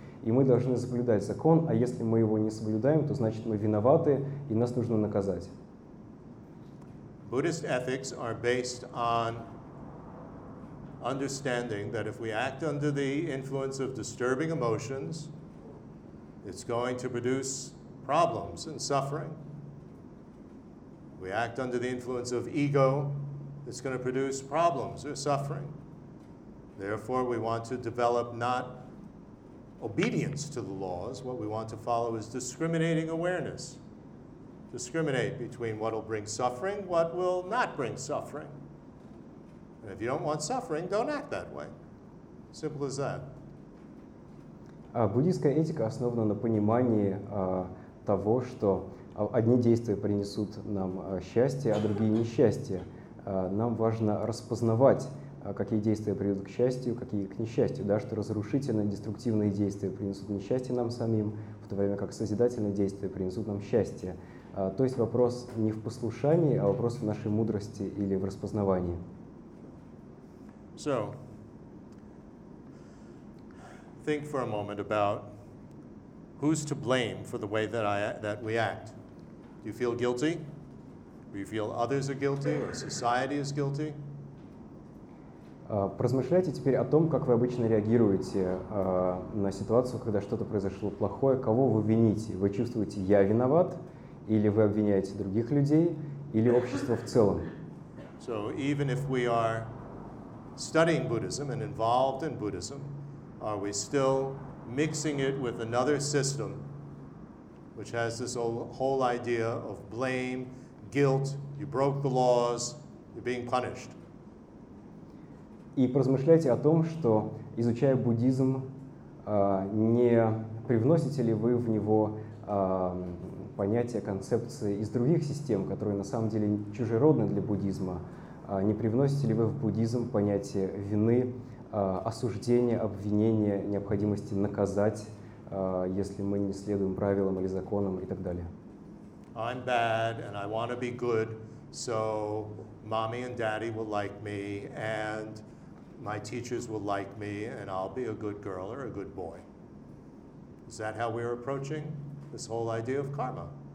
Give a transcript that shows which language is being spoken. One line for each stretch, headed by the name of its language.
Russian: И мы должны соблюдать закон, а если мы его не соблюдаем, то значит мы виноваты и нас нужно наказать.
English: Buddhist ethics are based on understanding that if we act under the influence of disturbing emotions, it's going to produce problems and suffering. We act under the influence of ego, it's going to produce problems or suffering. Therefore, we want to develop not obedience to the laws. What we want to follow is discriminating awareness. Discriminate between what will bring suffering, what will not bring suffering. And if you don't want suffering, don't act that way. Simple as that.
Russian: Буддийская этика основана на понимании того, что одни действия принесут нам счастье, а другие несчастье. Нам важно распознавать, какие действия приведут к счастью, какие к несчастью, да, что разрушительные, деструктивные действия принесут несчастье нам самим, в то время как созидательные действия принесут нам счастье. То есть вопрос не в послушании, а вопрос в нашей мудрости или в распознавании.
English: So, think for a moment about who's to blame for the way that we act. Do you feel guilty? Do you feel others are guilty or society is guilty?
Russian: Поразмышляйте теперь о том, как вы обычно реагируете на ситуацию, когда что-то произошло плохое. Кого вы вините? Вы чувствуете, я виноват? Или вы обвиняете других людей, или общество в целом.
English: So even if we are studying Buddhism and involved in Buddhism, are we still mixing it with another system which has this whole idea of blame, guilt, you broke the laws, you're being punished?
Russian: И поразмышляйте о том, что, изучая буддизм, не привносите ли вы в него понятия, концепции из других систем, которые на самом деле чужеродны для буддизма. Не привносите ли вы в буддизм понятие вины, осуждения, обвинения, необходимости наказать, если мы не следуем правилам или законам и так далее?
English: I'm bad and I want to be good, so mommy and daddy will like me and my teachers will like me and I'll be a good girl or a good boy. Is that how we're approaching this whole idea of karma?